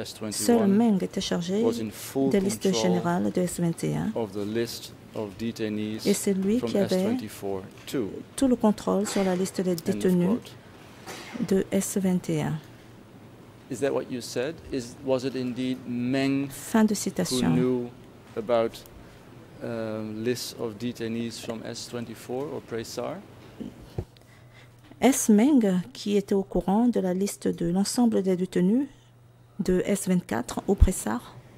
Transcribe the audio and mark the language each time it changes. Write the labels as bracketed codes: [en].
[fr] Seul Meng était chargé des listes générales de S21 et c'est lui qui avait tout le contrôle sur la liste des détenus de S21. [en] Is that what you said? Was it indeed Meng [fr] fin de citation. [en] Who knew about lists of detainees from S24 or Presar? [fr] Est-ce Meng qui était au courant de la liste de l'ensemble des détenus de S24 au Pressar?